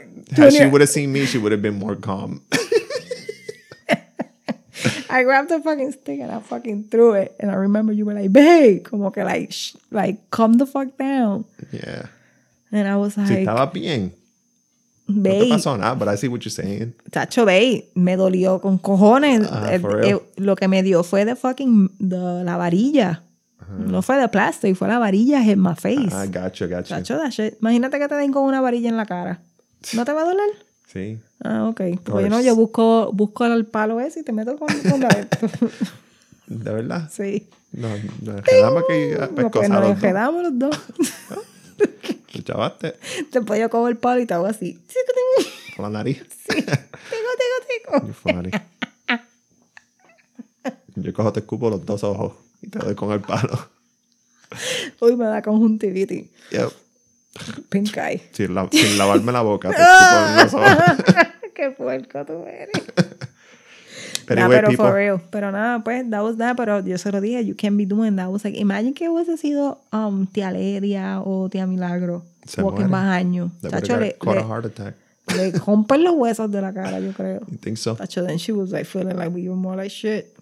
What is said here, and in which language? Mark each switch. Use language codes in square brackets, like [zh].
[en] Had she would have seen me, she would have been more calm. I grabbed the fucking stick and I fucking threw it. And I remember you were like, babe, [es] como que [en] like calm the fuck down. Yeah. And I was like, [es] si estaba bien. [en] Babe, [es] no te pasó nada, [en] but I see what you're saying. [es] Tacho, babe, me dolió con cojones. Lo que me dio fue de fucking la varilla. Uh-huh. No fue de plastic, fue la varilla en [en] my face. Ah, gotcha. Tacho, that shit. [es] Imagínate que te den con una varilla en la cara. ¿No te va a doler? Sí. Ah, ok. Pues no, yo busco el palo ese y te meto con la ¿De verdad? Sí. Nos quedamos los dos. Te chavaste. Después yo cojo el palo y te hago así. Con la nariz. Sí. Tengo. [en] You're funny. [es] Yo cojo, te escupo los dos ojos y te doy con el palo. Uy, me da conjuntivitis. [en] Yep. Pink eye. [es] Sin lavarme la boca, te escupo los ojos. Qué puerco tú eres. [en] Anyway, nah, [es] pero [en] people. For real. [es] Pero nada, pues, [en] that was that. [es] Pero yo se lo dije, [en] you can't be doing that. I was like, [es] imagine que hubiese sido tía Leria o tía Milagro. Se muere. Más años. [en] Tacho, caught a heart attack. [es] Le rompen los huesos de la cara, yo creo. [en] You think so? Tacho, then she was like, feeling like we were more like shit.